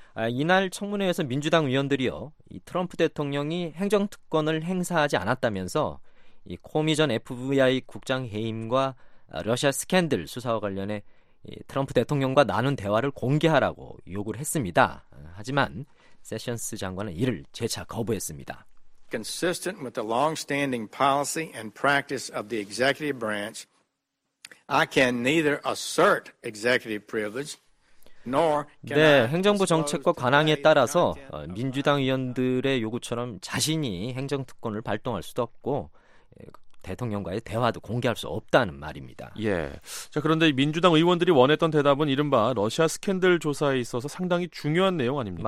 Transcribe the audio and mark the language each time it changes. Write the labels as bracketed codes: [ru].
[ko] 이날 청문회에서 민주당 의원들이요, 이 트럼프 대통령이 행정특권을 행사하지 않았다면서 이 코미 전 FBI 국장 해임과 러시아 스캔들 수사와 관련해 이 트럼프 대통령과 나눈 대화를 공개하라고 요구를 했습니다. 하지만 세션스 장관은 이를 재차 거부했습니다. [en] Consistent with the long-standing policy and practice of the executive branch, I can neither assert executive privilege nor can. [ko] 네, 행정부 정책과 관항에 따라서 민주당 의원들의 요구처럼 자신이 행정특권을 발동할 수도 없고 대통령과의 대화도 공개할 수 없다는 말입니다. 예. 자, 그런데 민주당 의원들이 원했던 대답은 이른바 러시아 스캔들 조사에 있어서 상당히 중요한 내용 아닙니까?